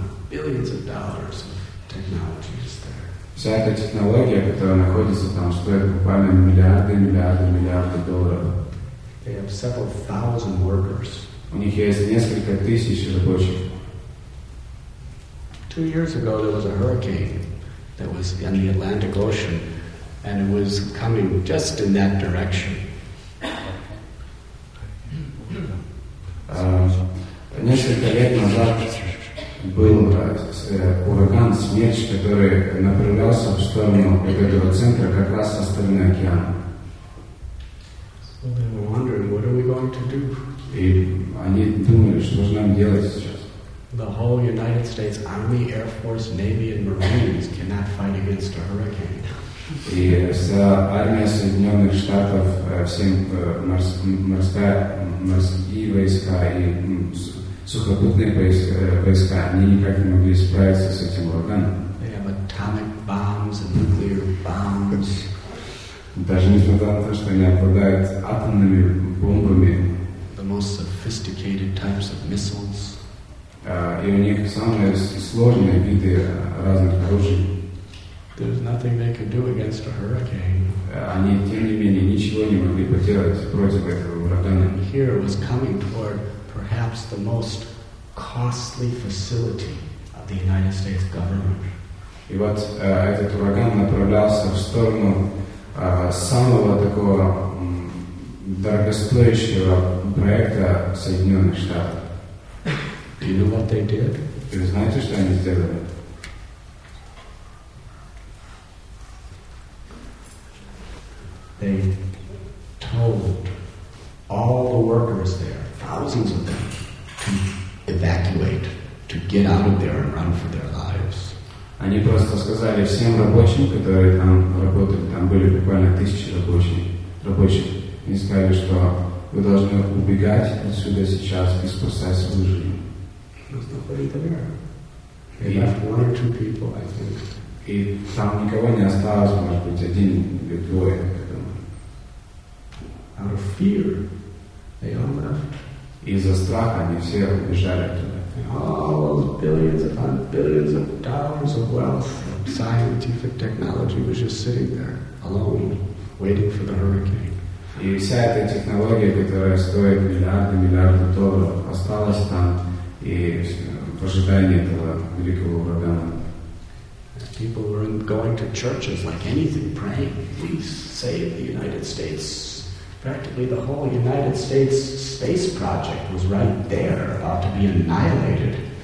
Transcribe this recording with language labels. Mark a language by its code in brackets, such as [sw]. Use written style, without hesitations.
[en] Billions upon billions of dollars of technology is there. [ru] Вся эта технология, которая находится там, стоит буквально миллиарды долларов. [en] They have several thousand workers. [ru] У них есть несколько тысяч рабочих. [en] 2 years ago there was a hurricane that was in the Atlantic Ocean, and it was coming just in that direction. [ru] Несколько лет назад был ураган Смерч, который направлялся в сторону этого центра как раз со стороны океана. [en] So they were wondering, what are we going to do? [ru] И они думали, что же нам делать сейчас. [en] The whole United States Army, Air Force, Navy, and Marines cannot fight against a hurricane. [ru] И вся армия Соединенных Штатов, морские войска и сухопутные войска, они никак не могли справиться с этим ураганом. [en] They have atomic bombs and nuclear bombs. [ru] Даже несмотря на то, что они обладают атомными бомбами, [en] the most sophisticated types of missiles. [ru] И у них самые сложные виды разных оружий. [en] There's nothing they could do against a hurricane. [ru] Они, тем не менее, ничего не могли поделать против этого урагана. [en] Here was coming toward perhaps the most costly facility of the United States government. [ru] И вот этот ураган направлялся в сторону самого такого дорогостоящего проекта Соединенных Штатов. [en] Do you know what they did? [ru] И вы знаете, что они сделали? [en] They told all the workers there, thousands of them, to evacuate, to get out of there and run for their lives. [ru] Они просто сказали всем рабочим, которые там работали, там были буквально тысячи рабочих, и сказали, что вы должны убегать отсюда сейчас и спасать свою жизнь. [en] Nobody there. They left one or two people, I think. [ru] И там никого не осталось, может быть, один или двое, я думаю. [en] Out of fear, they all left. [ru] Из-за страха они все убежали оттуда. [en] All those billions upon billions of dollars of wealth, of scientific technology was just sitting there, alone, waiting for the hurricane. [ru] И вся эта технология, которая стоит миллиарды, миллиарды долларов, осталась там и в ожидании этого великого урагана. [en] People were going to churches like anything, praying, please save the United States. Practically the whole United States space project was right there, about to be annihilated.